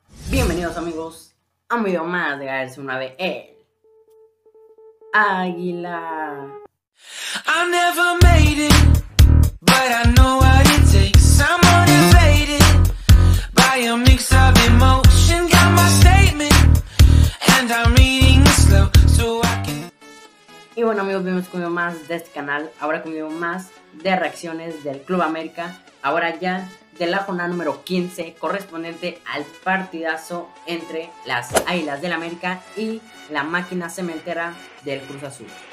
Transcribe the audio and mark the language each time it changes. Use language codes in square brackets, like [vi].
[es] Bienvenidos amigos a un video más de Gaerse una vez el Águila. [en] I never made it, but I know what it takes. I'm motivated by a mix of emotion. Got my statement, and I'm reading it slow so I can. [es] Y bueno, amigos, bienvenidos con un video más de este canal. Ahora con un video más de reacciones del Club América. Ahora ya de la jornada número 15, correspondiente al partidazo entre las Águilas del América y la Máquina Cementera del Cruz Azul.